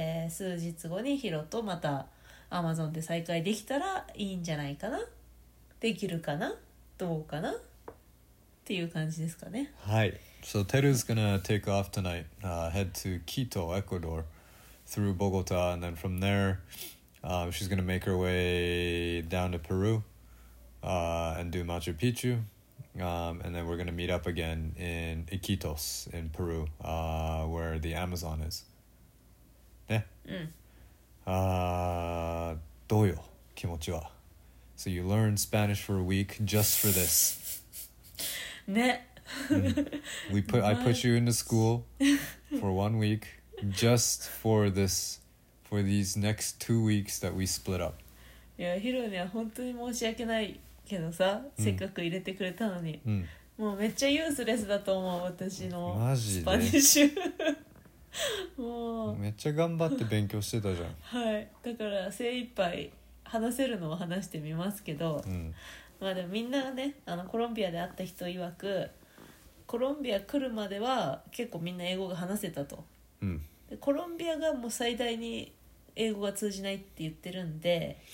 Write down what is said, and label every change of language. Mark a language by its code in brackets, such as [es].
[ja] 数日後にヒロとまたアマゾンで再開できたらいいんじゃないかな、できるかな、どうかなっていう感じですかね。はい。 [en] So Teru's gonna take off tonight, head to Quito, Ecuador, through Bogota, and then from there, she's gonna make her way down to Peru, and do Machu Picchu, and then we're gonna meet up again in Iquitos, in Peru, where the Amazon is. [ja] ね。どうよ、気持ちは。 [en] So you learn Spanish for a week just for this. [ja] ね。 [en] I put you into school for 1 week just for this, for these next 2 weeks that we split up. [ja] いや、ヒロには本当に申し訳ないけどさ、せっかく入れてくれたのに。もうめっちゃユースレスだと思う、私のスパニッシュ。もうめっちゃ頑張って勉強してたじゃん。はい、だから精一杯話せるのを話してみますけど、まあでもみんながね、あのコロンビアで会った人曰く、コロンビア来るまでは結構みんな英語が話せたと、でコロンビアがもう最大に英語が通じないって言ってるんで、